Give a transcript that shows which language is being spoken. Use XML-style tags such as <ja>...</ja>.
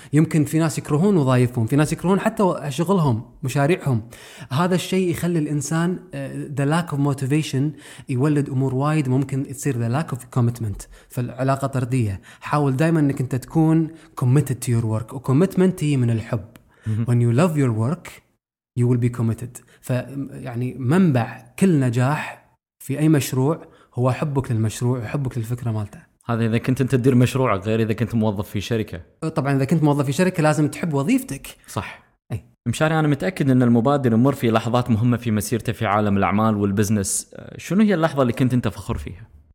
<ar>يمكن في ناس يكرهون وظايفهم، في ناس يكرهون حتى شغلهم مشاريعهم. هذا الشيء يخلي الإنسان</ar> <en>the lack of motivation</en> <ar>يولد أمور وايد، ممكن تصير</ar> <en>the lack of commitment</en> <ar>فالعلاقة طردية. حاول دائما أنك أنت تكون</ar> <en>committed to your work،</en> <ar>وcommitment هي من الحب.</ar> <en>When you love your work, you will be committed.</en> <ar>فيعني منبع كل نجاح في أي مشروع هو حبك للمشروع وحبك للفكرة مالته. هذا إذا كنت أنت تدير مشروع، غير إذا كنت موظف في شركة. طبعا إذا كنت موظف في شركة لازم تحب وظيفتك. صح. مشاري، أنا متأكد أن المبادر يمر في لحظات مهمة في مسيرته في عالم الأعمال والبزنس، شنو هي اللحظة اللي كنت أنت فخور فيها؟</ar>